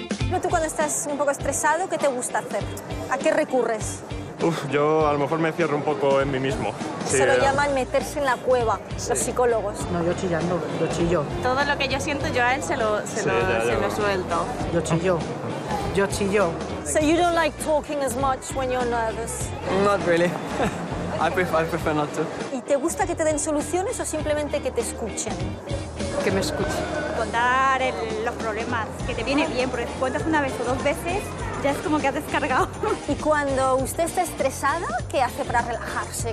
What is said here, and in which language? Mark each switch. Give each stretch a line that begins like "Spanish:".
Spanish: ¿No tú cuando estás un poco estresado, qué te gusta hacer? ¿A qué recurres? Yo a lo mejor me cierro un poco en mí mismo. Sí, se lo llaman meterse en la cueva, sí. Los psicólogos. No, yo chillando, yo chillo. Todo lo que yo siento yo a él se lo suelto. Yo chillo. Yo chillo.
English: So you don't like talking as much when you're nervous? Not really. Okay. I prefer not to.
Spanish: ¿Y te gusta que te den soluciones o simplemente que te escuchen? Que me escuchen. Contar los problemas, que te viene bien, porque si cuentas una vez o dos veces, ya es como que has descargado. ¿Y cuando usted está estresada, qué hace para relajarse?